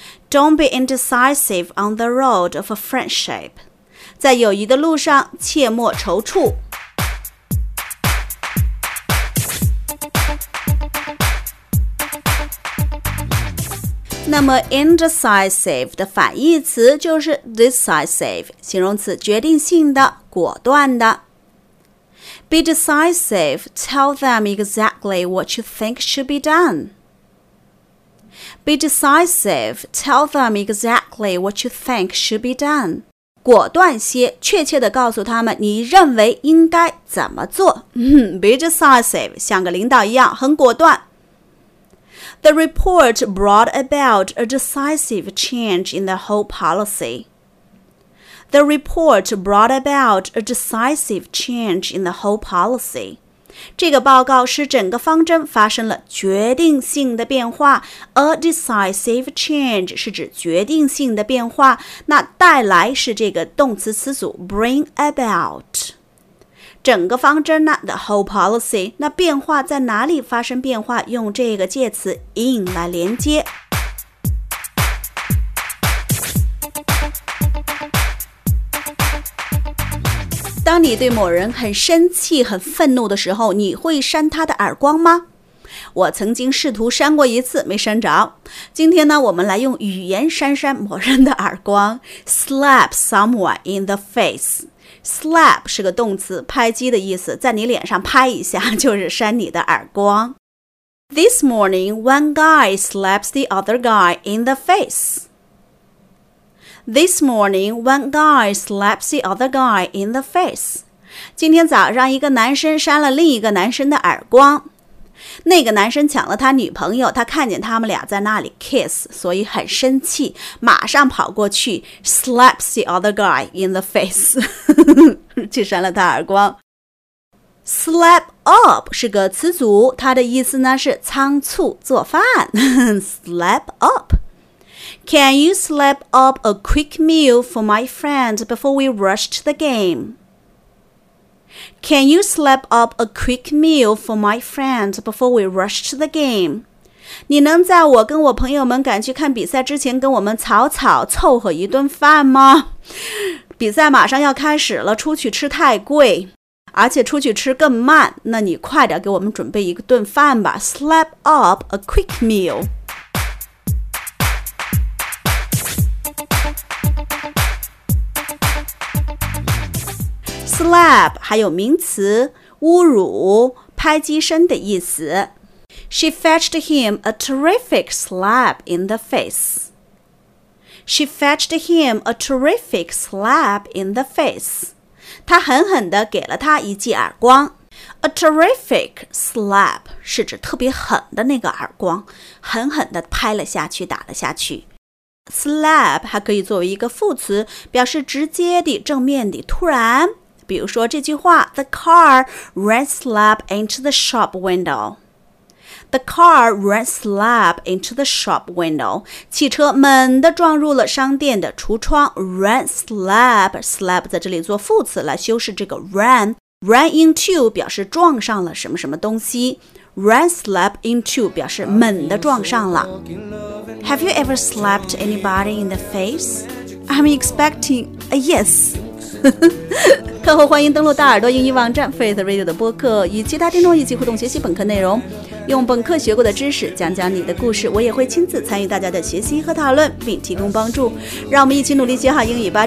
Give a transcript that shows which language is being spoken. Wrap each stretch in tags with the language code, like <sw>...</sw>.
<en>Don't be indecisive on the road of a friendship.</en> <zh>在友谊的路上切莫踌躇。那么 indecisive 的反义词就是 decisive， 形容词，决定性的，果断的。</zh> <en>Be decisive, tell them exactly what you think should be done. Be decisive, tell them exactly what you think should be done.</en> <zh>果断些，确切地告诉他们你认为应该怎么做。</zh> <en>Be decisive,</en> <zh>像个领导一样，很果断。</zh> <en>The report brought about a decisive change in the whole policy. The report brought about a decisive change in the whole policy.</en> <zh>这个报告使整个方针发生了决定性的变化。</zh> <en>A decisive change</en> <zh>是指决定性的变化。那带来是这个动词词组</zh> <en>bring about。</en> <zh>整个方针呢 ,</zh> <en>the whole policy,</en> <zh>那变化在哪里发生变化，用这个介词 in 来连接。当你对某人很生气很愤怒的时候，你会扇他的耳光吗？我曾经试图扇过一次没扇着。今天呢，我们来用语言扇扇某人的耳光，</zh> <en>slap someone in the face。</en> <zh>Slap 是个动词，拍击的意思，在你脸上拍一下就是扇你的耳光。</zh> <en>This morning, one guy slaps the other guy in the face. This morning, one guy slaps the other guy in the face.</en> <zh>今天早上一个男生扇了另一个男生的耳光。那个男生抢了他女朋友，他看见他们俩在那里 kiss， 所以很生气，马上跑过去</zh> <en>slaps the other guy in the face，</en> <zh>去扇了他耳光。</zh> <en>Slap up</en> <zh>是个词组，它的意思呢是仓促做饭。</zh> <en>Slap up， Can you slap up a quick meal for my friend before we rush to the game? Can you slap up a quick meal for my friend before we rush to the game?</en> <zh>你能在我跟我朋友们赶去看比赛之前跟我们草草凑合一顿饭吗？比赛马上要开始了，出去吃太贵，而且出去吃更慢，那你快点给我们准备一顿饭吧。</zh> <en>Slap up a quick meal.</en> <zh>Slap 还有名词侮辱拍击声的意思。</zh> <en>She fetched him a terrific slap in the face. She fetched him a terrific slap in the face.</en> <zh>她狠狠地给了他一记耳光。</zh> <en>A terrific slap</en> <zh>是指特别狠的那个耳光，狠狠地拍了下去，打了下去。 Slap 还可以作为一个副词，表示直接的，正面的，突然比如说这句话</zh> <en>The car ran slap into the shop window. The car ran slap into the shop window.</en> <zh>汽车猛地撞入了商店的橱窗</zh> <en>Ran slap.</en> <zh>Slap 在这里做副词来修饰这个 ran.</zh> <en>Ran into</en> <zh>表示撞上了什么什么东西。</zh> <en>Ran slap into</en> <zh>表示猛地撞上了。</zh> <en>Have you ever slapped anybody in the face? I'm expecting a yes.</en> <zh>课后欢迎登录大耳朵英语网站 Faith Radio 的播客，与其他听众一起互动学习本科内容，用本科学过的知识讲讲你的故事，我也会亲自参与大家的学习和讨论，并提供帮助。让我们一起努力学好英语吧！</zh>